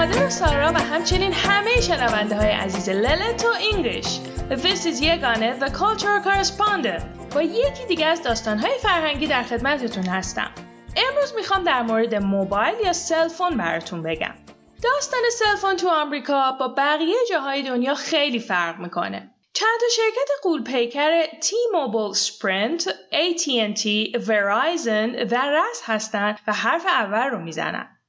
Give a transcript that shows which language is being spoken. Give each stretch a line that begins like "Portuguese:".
Persian: همچنین همه شنونده های عزیز لیلتو انگلیش.
English: This is Yegane, the culture correspondent.
Persian: با یکی دیگه از داستان های فرهنگی در خدمتتون هستم. امروز میخوام در مورد موبایل یا سلفون براتون بگم. داستان سلفون تو آمریکا با بقیه جاهای دنیا خیلی فرق میکنه. چند تا شرکت غول‌پیکر تی موبایل، سپرینت، AT&T، ورایزن و راس هستن و حرف اول رو میزنن.